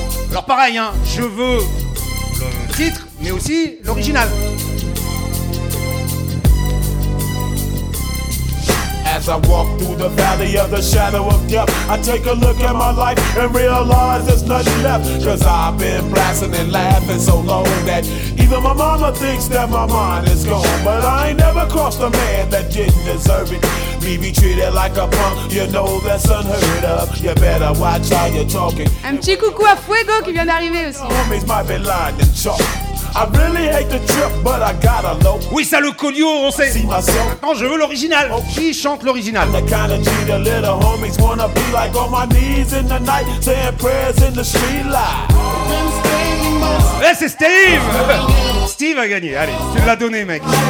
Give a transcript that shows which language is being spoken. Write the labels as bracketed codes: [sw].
[fr] Alors pareil, hein, je veux le titre, mais aussi l'original. [en] As I walk through the valley of the shadow of death, I take a look at my life and realize there's nothing left. Cause I've been blasting and laughing so long that even my mama thinks that my mind is gone. But I ain't never crossed a man that didn't deserve it. Me be treated like a punk, you know that's unheard of. You better watch how you're talking. [fr] Un petit coucou à Fuego qui vient d'arriver aussi. [en] Homies might be lying and chalk. I really hate the trip, but I gotta know. [fr] Oui, ça le colio, on sait. Maintenant, je veux l'original. Qui chante l'original? [en] The kind of G the little homies wanna be like on my knees in the night, saying prayers in the street light. [fr] Eh, c'est Steve! Steve a gagné, allez, tu l'as donné, mec.